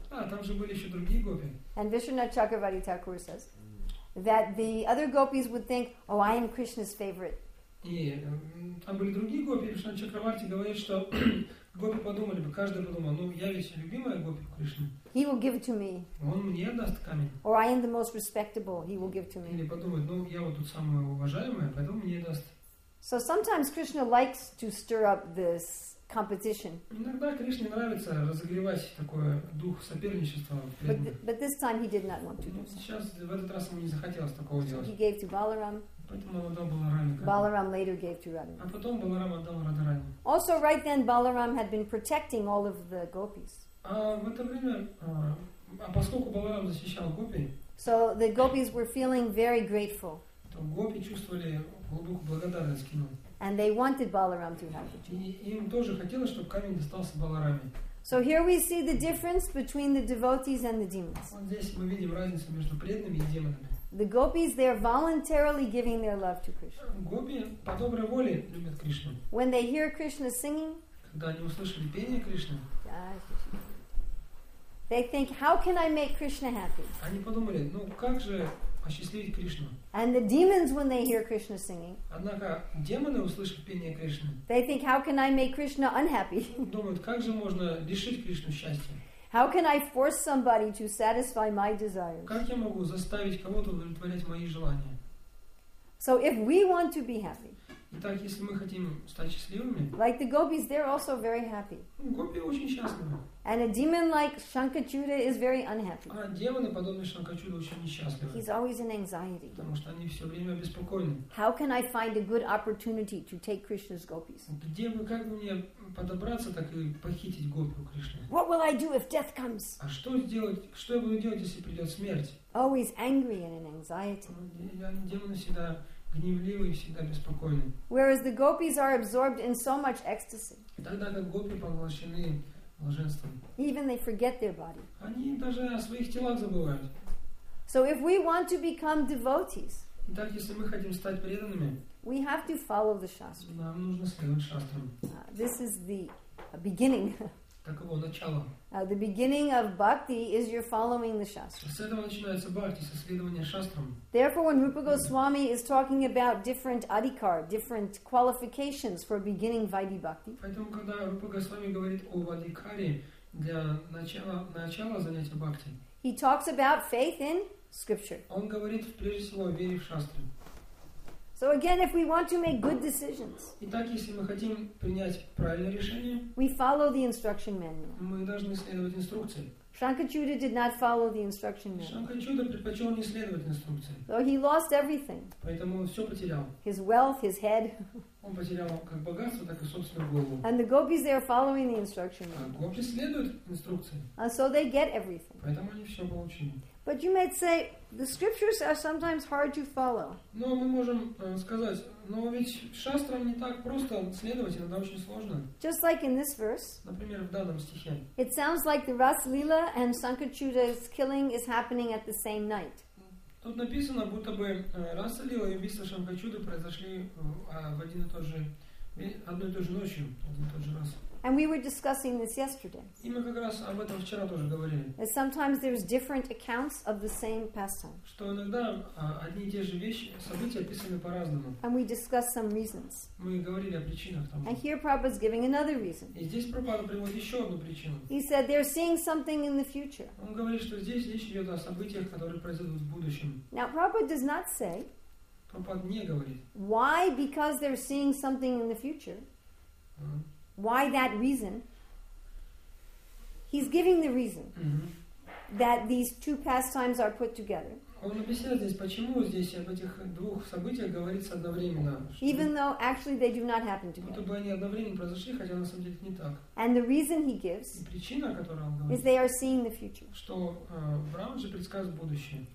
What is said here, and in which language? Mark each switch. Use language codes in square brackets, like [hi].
[en] And Vishwanath Chakravarti Thakur says that the other gopis would think, oh, I am Krishna's favorite. [ru] И там были другие гопи, Кришна Чакраварти говорит, что гопи подумали бы, каждый подумал, ну я ведь любимая гопи Кришны. [en] He will give to me. [ru] Он мне даст камень. [en] Or I am the most respectable, he will give to me. [ru] Или подумает, ну я вот тут самая уважаемая, поэтому мне даст. [en] So sometimes Krishna likes to stir up this competition. [ru] Иногда Кришне нравится разогревать такой дух соперничества. [en] But this time he did not want to do so. [ru] Сейчас в этот раз ему не захотелось такого делать. [en] He gave to Balaram. Balaram later gave to Radharani. [ru] А потом Баларам отдал Радхарани. [en] Also, right then, Balaram had been protecting all of the gopis. [ru] А в это время, а поскольку Баларам защищал гопи, [en] so the gopis were feeling very grateful. [ru] То гопи чувствовали глубокую благодарность к нему. [en] And they wanted Balaram to have it. [ru] И им тоже хотелось, чтобы камень достался Балараме. [en] So here we see the difference between the devotees and the demons. [ru] Вот здесь мы видим разницу между преданными и демонами. [en] The gopis, they are voluntarily giving their love to Krishna. [ru] Гопи по доброй воле любят Кришну. [en] When they hear Krishna singing, [ru] когда они услышали пение Кришны, [en] they think, how can I make Krishna happy? [ru] Они подумали, ну как же осчастливить Кришну? [en] And the demons, when they hear Krishna singing, [ru] однако демоны услышат пение Кришны, [en] they think, how can I make Krishna unhappy? [ru] Думают, как же можно лишить Кришну счастья? [en] How can I force somebody to satisfy my desires? [ru] Как я могу заставить кого-то удовлетворять мои желания? [en] So if we want to be happy, [ru] Итак, если мы хотим стать счастливыми, [en] like the gopis, they're also very happy. [ru] Гопи очень счастливы. [en] And a demon like Shankachuda is very unhappy. [ru] А демоны, подобные Шанкачуде, очень несчастливы. [en] He's always in anxiety. [ru] Потому что они все время обеспокоены. [en] How can I find a good opportunity to take Krishna's gopis? [ru] Где бы, как бы мне подобраться, так и похитить гопи у Кришны? [en] What will I do if death comes? [ru] А что сделать, что я буду делать, если придет смерть? [en] Always angry and in anxiety. [ru] Демоны всегда гневливы и всегда беспокойны. [en] Whereas the gopis are absorбed in so much ecstasy. [ru] Тогда как гопи поглощены блаженством. [en] Even they forget their body. [ru] Они даже о своих телах забывают. [en] So if we want to become devotees, [ru] Итак, если мы хотим стать преданными, [en] we have to follow the shastra. [ru] Нам нужно следовать шастрам. [en] This is the beginning. [ru] Таково начало. [en] The beginning of bhakti is your following the shastra. [ru] С этого начинается бхакти, со следования шастрам. [en] Therefore, when Rupa Goswami is talking about different adhikar, different qualifications for beginning vaidhi bhakti. [ru] Поэтому когда Рупа Госвами говорит о адхикаре для начала занятия бхакти. [en] He talks about faith in scripture. [ru] Он говорит прежде всего о вере в шастры. [en] So again, if we want to make good decisions, [ru] Итак, если мы хотим принять правильное решение, [en] we follow the instruction manual. [ru] Мы должны следовать инструкции. [en] Shankachuda did not follow the instruction manual. [ru] Shankachuda предпочел не следовать инструкции. [en] So he lost everything. [ru] Поэтому он все потерял. [en] His wealth, his head. [ru] Он потерял как богатство, так и собственную голову. [en] And the gopis, they are following the instruction manual. [ru] А гопи следуют инструкции. [en] And so they get everything. [ru] Поэтому они все получили. [en] But you might say the scriptures are sometimes hard to follow. [ru] Но мы можем сказать, но ведь шастрам не так просто следовать, иногда очень сложно. [en] Just like in this verse. [ru] Например, в данном стихе. [en] It sounds like the Ras Lila and Shankachuda's killing is happening at the same night. [ru] Тут написано, будто бы Рас Лила и убийство Шанкачуды произошли в одной и той же ночью, один и тот же раз. [en] And we were discussing this yesterday. [ru] И мы как раз об этом вчера тоже говорили. [en] That sometimes there's different accounts of the same pastime. [ru] Что иногда одни и те же вещи, события описаны по-разному. [en] And we discussed some reasons. [ru] Мы говорили о причинах там. [en] And here Prabhupada's giving another reason. [ru] И здесь Прабхупада приводит еще одну причину. [en] He said they're seeing something in the future. [ru] Он говорит, что здесь речь идет о событиях, которые произойдут в будущем. [en] Now Prabhupada does not say. [ru] Прабхупада не говорит. [en] Why? Because they're seeing something in the future. Why that reason? He's giving the reason that these two pastimes are put together. [ru] Он объясняет здесь, почему здесь об этих двух событиях говорится одновременно. [en] Even though actually they do not happen together. [ru] Будто бы они одновременно произошли, хотя на самом деле не так. [en] And the reason he gives [ru] причина, которую он говорит, [en] is they are seeing the future. [ru] Что Браун же предсказывает будущее.